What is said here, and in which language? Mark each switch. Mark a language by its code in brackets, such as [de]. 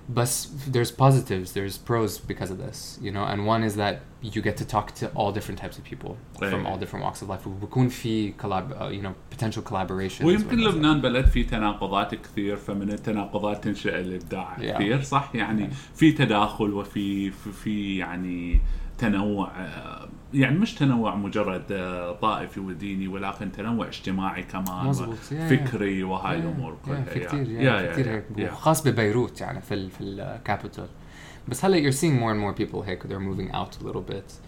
[en] But there's positives, there's pros because of this, you know. And one is that you get to talk to all different types of people from all different walks of life. [ar] ويكون في [en] collab, you know, potential collaboration. [ar] ويمكن لبنان بلد في تناقضات كثير, فمن التناقضات تنشئ الإبداع كثير, صح؟ يعني في تداخل وفي في يعني تنوع. يعني مش تنوع مجرد طائفي وديني, ولكن تنوع اجتماعي كمان فكري وهاي الأمور كلها. خاص ببيروت يعني في الكابيتال. بس هلا [en] you're seeing more and more people [ar] هيك, [en] they're moving out a little bit